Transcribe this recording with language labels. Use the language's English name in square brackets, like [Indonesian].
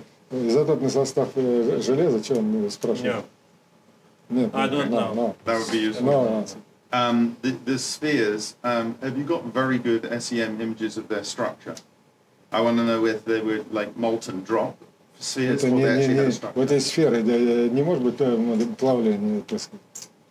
[Russian] Isotope не состав железа, что он спрашивает? [English] No. That would be useful. No. The spheres, have you got very good SEM images of their structure? I want to know if they were like molten drop spheres or they actually had a structure. [Russian] В этой сфере не может быть плавление, так сказать.